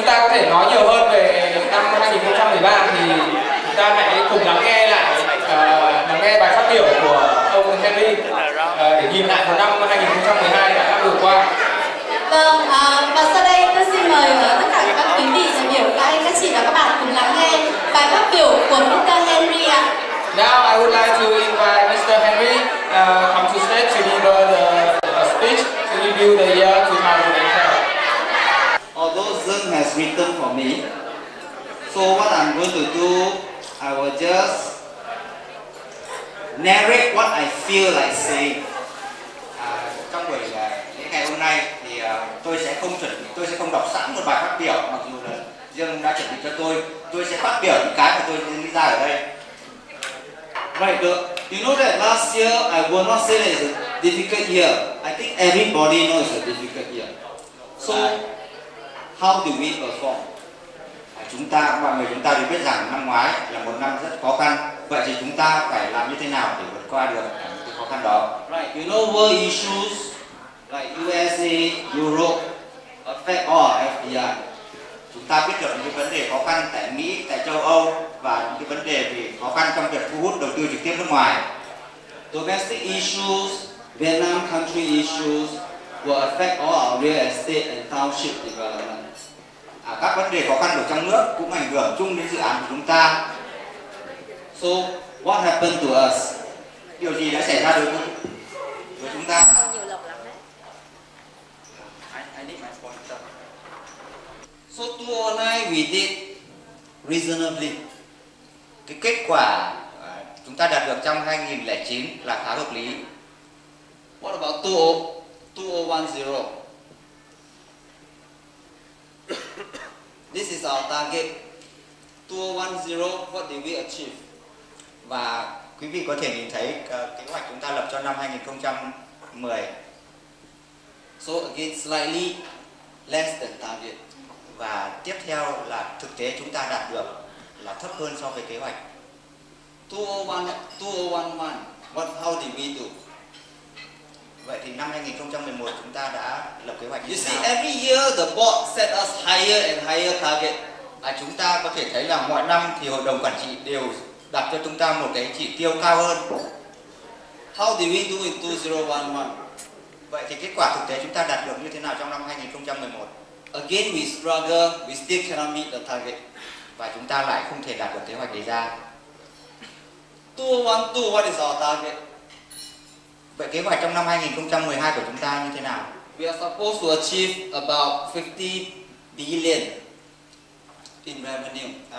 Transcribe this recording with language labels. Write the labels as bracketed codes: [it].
[vi] thể nói nhiều hơn về năm 2013 thì chúng ta hãy cùng lắng nghe lại lắng nghe bài phát biểu của ông Henry để nhìn lại vào năm 2012 đã vừa qua. Vâng, và sau đây tôi xin mời tất cả các quý vị đại biểu, các anh, các chị và các bạn cùng lắng nghe bài phát biểu của Mr. Henry ạ. [en] Now I would like to invite Mr. Henry come to stage to deliver the speech to review the year 2012. Although Zeng has written for me, so what I'm going to do, I will just narrate what I feel like saying. [vi] Trong buổi ngày hôm nay thì tôi sẽ không đọc sẵn một bài phát biểu, mặc dù là Dương đã chuẩn bị cho tôi sẽ phát biểu những cái mà tôi nghĩ ra ở đây. [en] Right, you know that last year I will not say that it's a difficult year. I think everybody knows it's a difficult year. So how do we perform? [vi] Chúng ta, mọi người chúng ta đều biết rằng năm ngoái là một năm rất khó khăn. Vậy thì chúng ta phải làm như thế nào để vượt qua được cái khó khăn đó? [en] Right, you know world issues like USA, Europe affect all our FDI. [vi] Chúng ta biết được những cái vấn đề khó khăn tại Mỹ, tại châu Âu và những cái vấn đề về khó khăn trong việc thu hút đầu tư trực tiếp nước ngoài. [en] Domestic issues, Vietnam country issues will affect all our real estate and township development. [vi] Các vấn đề khó khăn ở trong nước cũng ảnh hưởng chung đến dự án của chúng ta. [en] So, what happened to us? [vi] Điều gì đã xảy ra đối với chúng ta? Nhiều lộc lắm đấy. [en] I need my pointer. So, 2009 we did reasonably. [vi] Cái kết quả chúng ta đạt được trong 2009 là khá hợp lý. [en] What about 2010? This is our target. 2010, what did we achieve? [vi] Và quý vị có thể nhìn thấy kế hoạch chúng ta lập cho năm 2010. [en] So again, slightly less than target. [vi] Và tiếp theo là thực tế chúng ta đạt được là thấp hơn so với kế hoạch. [en] 2011, what how did we do? [vi] Vậy thì năm 2011 chúng ta đã lập kế hoạch như thế nào? [en] You see, every year the board set us higher and higher target. [vi] Chúng ta có thể thấy là mọi năm thì hội đồng quản trị đều đặt cho chúng ta một cái chỉ tiêu cao hơn. [en] How did we do in 2011? [vi] Vậy thì kết quả thực tế chúng ta đạt được như thế nào trong năm 2011? [en] Again we struggle, we still cannot meet the target. [vi] Và chúng ta lại không thể đạt được kế hoạch đề ra. [en] 2012, what is our target? [vi] Vậy kế hoạch trong năm 2012 của chúng ta như thế nào? [en] We are supposed to achieve about 50 billion in revenue.